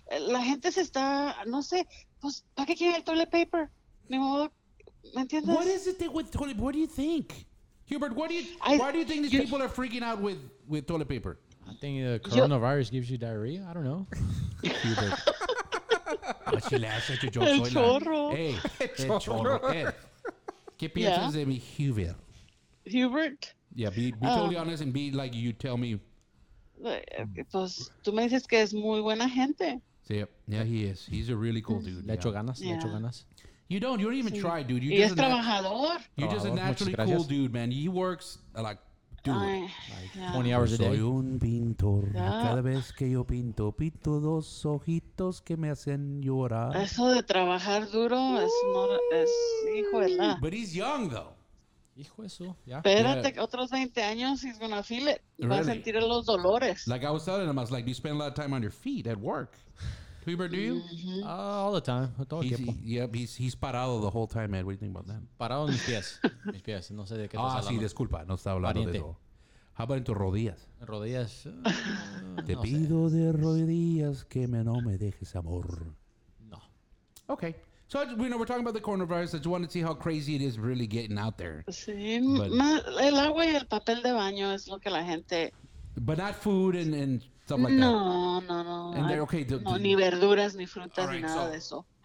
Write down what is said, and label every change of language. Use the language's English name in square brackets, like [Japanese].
[Spanish] La gente se está, no sé, pues, ¿para qué quieren el [English] toilet paper? [Spanish] Ni modo, ¿me entiendes? [English] What is it with toilet paper? What do you think? Hubert, why do you think these people are freaking out with toilet paper? I think the coronavirus gives you diarrhea. I don't know. Hubert. Oh, she laughs at your joke. [Spanish] El chorro. Hey, el chorro. Ed, ¿qué piensas de mi Hubert? [English] Hubert? Yeah, be totally honest and be like you tell me. [Spanish] Pues, tú me dices que es muy buena gente. [English] Sí, yeah, he is. He's a really cool dude. [Spanish] Le echo ganas, le echo ganas. [English] You don't even try, dude. [Spanish] Y es trabajador. [English] You're just a naturally cool dude, man. He works like... Like 20 hours a day. [Spanish] Soy un pintor. Cada vez que yo pinto, pinto dos ojitos que me hacen llorar. Eso de trabajar duro es hijo de la. [English] But he's young, though. [Spanish] Hijo eso, yeah. Espérate, otros 20 años, [English] he's gonna feel it. Really? [Spanish] Va a sentir los dolores. [English] Like I was telling him, I was like, do you spend a lot of time on your feet at work? Hubert, do you? Mm-hmm. All the time. Todo he's, he's parado the whole time, man. What do you think about that? [Spanish] Parado en mis pies. Mis pies. No sé de qué estás hablando. Ah, sí, disculpa. No estaba hablando Pariente. De eso. [English] How about [Spanish] en tus rodillas? En rodillas. Te no pido sé. De rodillas que no me dejes amor. No. [English] Okay. So, we're talking about the coronavirus. I just wanted to see how crazy it is really getting out there. [Spanish] Sí. But, el agua y el papel de baño es lo que la gente... [English] But not food and stuff like no, that. No. And they're okay. [Spanish] No, ni verduras, ni frutas, right, ni nada de eso.